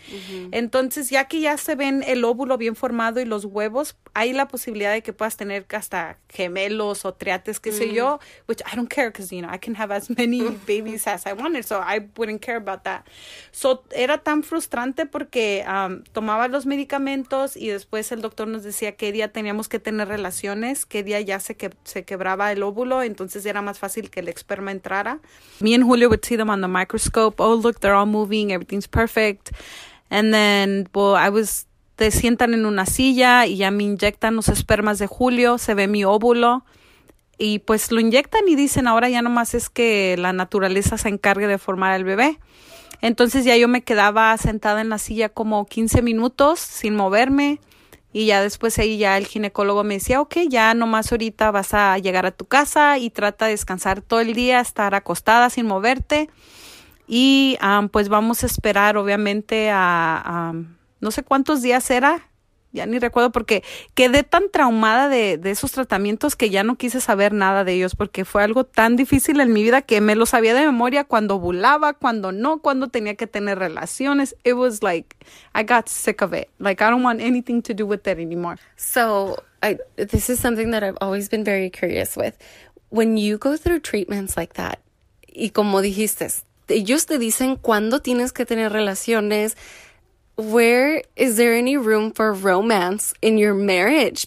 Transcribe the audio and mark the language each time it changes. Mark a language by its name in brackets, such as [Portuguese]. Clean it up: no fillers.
[Spanish] Uh-huh. Entonces, ya que ya se ven el óvulo bien formado y los huevos, hay la posibilidad de que puedas tener hasta gemelos o triates, qué uh-huh. sé yo, [English] which I don't care because, you know, I can have as many babies as I wanted, so I wouldn't care about that. [Spanish] So, era tan frustrante porque tomaba los medicamentos y después el doctor nos decía qué día teníamos que tener relaciones, qué día ya se quebraba el óvulo, entonces era más fácil que el esperma entrara. [English] Me and Julio would see them on the microscope. Oh, look, they're all moving, everything's perfect. And then, well, [Spanish] te sientan en una silla y ya me inyectan los espermas de Julio, se ve mi óvulo. Y pues lo inyectan y dicen, ahora ya nomás es que la naturaleza se encargue de formar al bebé. Entonces ya yo me quedaba sentada en la silla como 15 minutos sin moverme. Y ya después ahí ya el ginecólogo me decía, okay, ya nomás ahorita vas a llegar a tu casa y trata de descansar todo el día, estar acostada sin moverte. Y pues vamos a esperar obviamente a no sé cuántos días era, ya ni recuerdo, porque quedé tan traumada de esos tratamientos que ya no quise saber nada de ellos porque fue algo tan difícil en mi vida que me lo sabía de memoria cuando ovulaba, cuando no, cuando tenía que tener relaciones. [English] It was like, I got sick of it. Like, I don't want anything to do with it anymore. So, this is something that I've always been very curious with. When you go through treatments like that, [Spanish] y como dijiste, ellos te dicen cuándo tienes que tener relaciones. [English] Where is there any room for romance in your marriage?